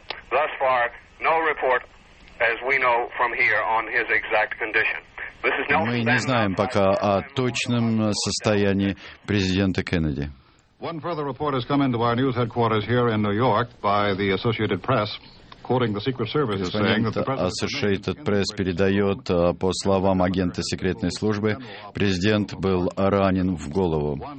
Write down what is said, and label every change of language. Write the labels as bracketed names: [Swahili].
[English] Thus far, no report, as we know from here, on his exact condition. This is Nelson. [Russian] Мы не знаем пока о точном состоянии президента Кеннеди. [English] One further report has come into our news headquarters here in New York by the Associated Press. [Russian] Associated Press передает, по словам агента секретной службы, президент был ранен в голову.